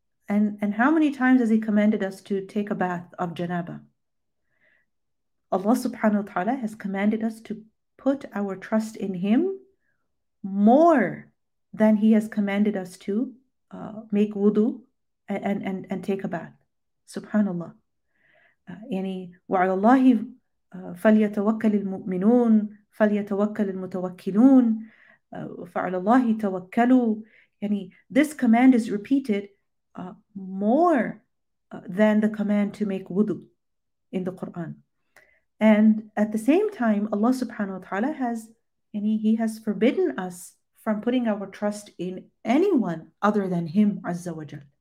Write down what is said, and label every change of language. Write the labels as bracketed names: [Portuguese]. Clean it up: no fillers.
[English] And how many times has He commanded us to take a bath of janaba? Allah subhanahu wa ta'ala has commanded us to put our trust in Him more than He has commanded us to make wudu and take a bath. Subhanallah. [Arabic] Yani وعلى الله فليتوكل المؤمنون فليتوكل المتوكلون فعلى الله توكلوا. [English] Yani this command is repeated more than the command to make wudu in the Quran. And at the same time, Allah subhanahu wa ta'ala has, yani, He has forbidden us from putting our trust in anyone other than Him, Azza wa Jal.